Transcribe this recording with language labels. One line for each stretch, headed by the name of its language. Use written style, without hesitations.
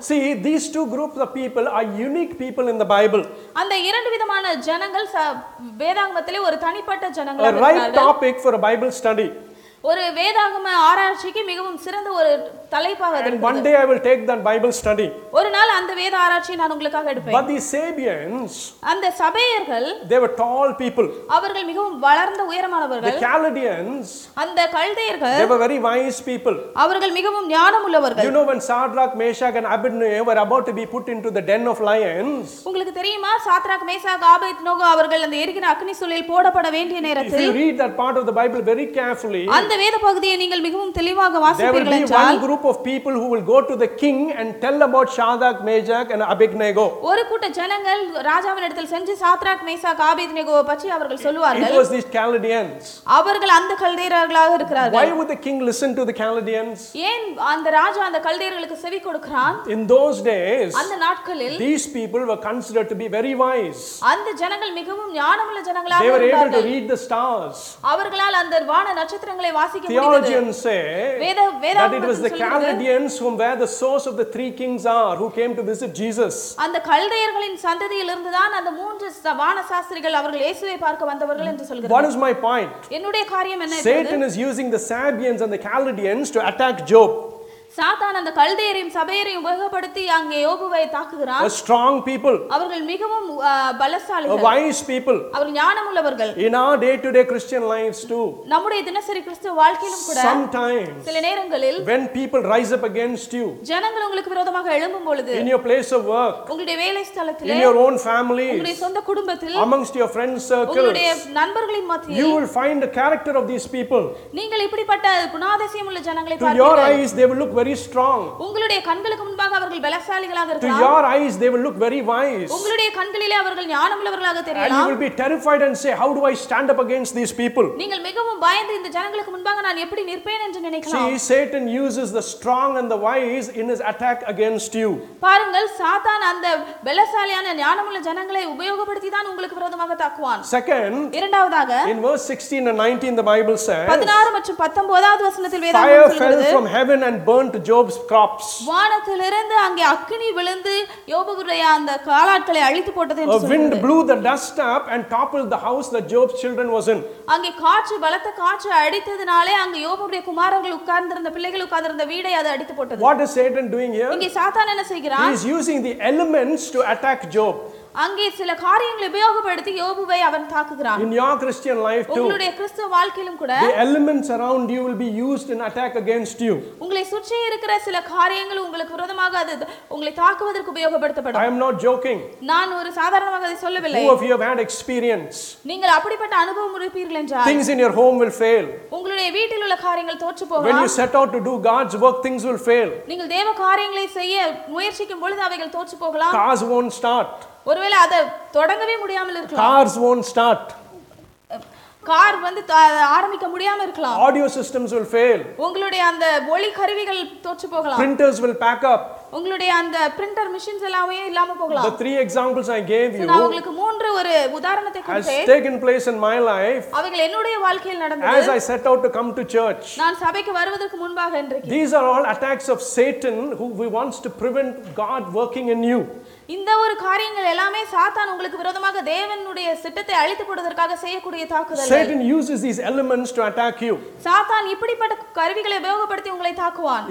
English: See, these two groups of people are unique people in the Bible.
Tamil: அந்த இரண்டு விதமான ஜனங்கள் வேதாகமத்திலே ஒரு தனிப்பட்ட ஜனங்கள்.
English: A right topic for a Bible study.
Tamil: ஒரு வேதாகம ஆராய்ச்சிக்கு மிகவும் சிறந்த ஒரு தலைப்பாக இருக்கும்.
English: And one day I will take that Bible study.
Tamil: ஒரு நாள் அந்த வேத ஆராய்ச்சி நான் உங்களுக்காக எடுப்பேன்.
English: But the Sabians,
Tamil: அந்த சபையர்கள்,
English: they were tall people.
Tamil: அவர்கள் மிகவும் வளர்ந்த உயரமானவர்கள்.
English: The Chaldeans,
Tamil: அந்த கல்தேயர்கள்,
English: they were very wise people.
Tamil: அவர்கள் மிகவும் ஞானமுள்ளவர்கள்.
English: You know when Shadrach, Meshach and Abednego were about to be put into the den of lions?
Tamil: உங்களுக்கு தெரியுமா Shadrach Meshach Abednego அவர்கள் அந்த எரிகிற அக்னி சுழலில் போடப்பட வேண்டிய நேரத்தில்,
English: If you read that part of the Bible very carefully,
Tamil: அந்த வேத பகுதியை நீங்கள் மிகவும் தெளிவாக வாசிப்பீர்கள் என்றால்,
English: one group of people who will go to the king and tell about Shadrach, Meshach and Abednego.
Tamil: ஒரு கூட்ட ஜனங்கள் ராஜாவின் இடத்தில் சென்று சாத்ராக் மேசாக் ஆபேத்நேகோவை பற்றி அவர்கள் சொல்வார்கள்.
English: It was these Chaldeans.
Tamil: அவர்கள் அந்த கல்தேயர்களாக இருக்கிறார்கள்.
English: Why would the king listen to the Chaldeans?
Tamil: ஏன் அந்த ராஜா அந்த கல்தேயர்களுக்கு செவி கொடுக்கிறான்?
English: In those days,
Tamil: அந்த நாட்களில்,
English: these people were considered to be very wise.
Tamil: அந்த ஜனங்கள் மிகவும் ஞானமுள்ள ஜனங்களாக இருந்தார்கள்.
English: They were able to read the stars.
Tamil: அவர்களால் அந்த வான நட்சத்திரங்களை வாசிக்க முடிந்தது.
English: Theologians say that it was the Chaldeans whom were the source of the three kings are who came to visit Jesus.
Tamil: அந்த கல்தேயர்களின் சந்ததியிலிருந்து தான் அந்த மூன்று வான சாஸ்திரிகள் அவர்கள் இயேசுவை பார்க்க வந்தவர்கள் என்று சொல்கிறார்கள்.
English: What is my point?
Tamil: என்னுடைய காரியம் என்ன?
English: Satan is using the Sabians and the Chaldeans to attack Job.
Tamil: சாத்தான் அந்த கல்தேயரையும் சபையரையும் உபயோகப்படுத்தி அங்கே யோபுவை தாக்குகிறான்.
English: A strong people.
Tamil: அவர்கள் மிகவும் பலசாலிகள்.
English: A wise people.
Tamil: அவர்கள் ஞானமுள்ளவர்கள்.
English: In our day-to-day Christian lives too.
Tamil: நம்முடைய தினசரி கிறிஸ்தவ வாழ்க்கையிலும் கூட
English: sometimes
Tamil: சில நேரங்களில்
English: when people rise up against you.
Tamil: ஜனங்கள் உங்களுக்கு விரோதமாக எழும்பும் பொழுது
English: in your place of work.
Tamil: உங்களுடைய வேலை ஸ்தலத்தில்
English: in your own family.
Tamil: உங்களுடைய சொந்த குடும்பத்தில்
English: amongst your friends circle.
Tamil: உங்களுடைய நண்பர்களின் மத்தியில்
English: you will find the character of these people.
Tamil: நீங்கள் இப்படிப்பட்ட குணாதிசயமுள்ள ஜனங்களை பார்ப்பீர்கள்.
English: To your eyes they will look very strong.
Tamil: உங்களுடைய கண்களுக்கு முன்பாக அவர்கள் பலசாலிகளாக இருக்கலாம்.
English: To your eyes they will look very wise.
Tamil: உங்களுடைய கண்களிலே அவர்கள் ஞானமுள்ளவர்களாக தெரியலாம்.
English: And you will be terrified and say how do I stand up against these people?
Tamil: நீங்கள் மிகவும் பயந்து இந்த ஜனங்களுக்கு முன்பாக நான் எப்படி நிற்பேன் என்று நினைக்கலாம்.
English: See, Satan uses the strong and the wise in his attack against you.
Tamil: பாருங்கள் சாத்தான் அந்த பலசாலியான ஞானமுள்ள ஜனங்களை உபயோகப்படுத்தி தான் உங்களுக்கு விரோதமாக தாக்குவான்.
English: Second,
Tamil: இரண்டாவதாக
English: in verse 16 and 19 the Bible says
Tamil: 16 மற்றும் 19வது வசனத்தில் வேதாகமம் சொல்கிறது
English: Fire fell from heaven and burnt Job's crops.
Tamil: வானத்திலிருந்து அங்கே அக்கினி விழுந்து யோபுவுடைய அந்த காலாட்களை அழித்து போட்டது என்று சொல்கிறது.
English: The wind blew the dust up and toppled the house that Job's children was in.
Tamil: அங்கே காற்று பலத்த காற்று அடித்ததனாலே அங்கே யோபுவுடைய குமாரர்கள் உட்கார்ந்திருந்த பிள்ளைகள் உட்கார்ந்திருந்த வீடை அது அடித்து போட்டது.
English: What is Satan doing here?
Tamil: இங்கே சாத்தான் என்ன செய்கிறான்?
English: He is using the elements to attack Job.
Tamil: அங்கே சில காரியங்களை உபயோகப்படுத்தி யோபுவை அவன் தாக்குகிறான்.
English: In your Christian life too.
Tamil: உங்களுடைய கிறிஸ்தவ வாழ்க்கையிலும் கூட
English: the elements around you will be used in attack against you.
Tamil: உங்களை சுற்றி இருக்கிற சில காரியங்கள் உங்களுக்கு விரோதமாக அது உங்களை தாக்குவதற்கு உபயோகப்படுத்தப்படும்.
English: I am not joking.
Tamil: நான் ஒரு சாதாரணமாக அதை சொல்லவில்லை.
English: Who of you have had experience?
Tamil: நீங்கள் அப்படிப்பட்ட அனுபவம் இருப்பீர்கள் என்றால்
English: things in your home will fail.
Tamil: உங்களுடைய வீட்டில் உள்ள காரியங்கள் தோற்று போகலாம்.
English: When you set out to do God's work things will fail.
Tamil: நீங்கள் தேவ காரியங்களை செய்ய முயற்சிக்கும் பொழுது அவைகள் தோற்று போகலாம்.
English: Cars won't start.
Tamil: ஒருவேளை அதை தொடங்கவே முடியாமல் இருக்கலாம்.
English: Cars won't start.
Tamil: கார் வந்து ஆரம்பிக்க முடியாம இருக்கலாம்.
English: Audio systems will fail.
Tamil: உங்களுடைய அந்த ஒலி கருவிகள் தோற்று போகலாம்.
English: Printers will pack up.
Tamil: உங்களுடைய அந்த பிரிண்டர் மிஷின்ஸ் எல்லாமே இல்லாம போகலாம்.
English: The three examples I gave you.
Tamil: நான் உங்களுக்கு மூன்று ஒரு உதாரணத்தை கொடுத்தேன்.
English: Has taken place in my life.
Tamil: அவைகள் என்னுடைய வாழ்க்கையில் நடந்தது.
English: As I set out to come to church.
Tamil: நான் சபைக்கு வருவதற்கு முன்பாக இன்றைக்கு.
English: These are all attacks of Satan who we wants to prevent God working in you.
Tamil: இந்த ஒரு காரியங்கள் எல்லாமே சாத்தான் உங்களுக்கு விரோதமாக தேவனுடைய சட்டத்தை அழித்து போடுவதற்காக செய்யக்கூடிய தாக்குதல்கள்.
English: Satan uses these elements to attack you.
Tamil: சாத்தான் இப்படிப்பட்ட கருவிகளை உபயோகப்படுத்தி உங்களை தாக்குவான்.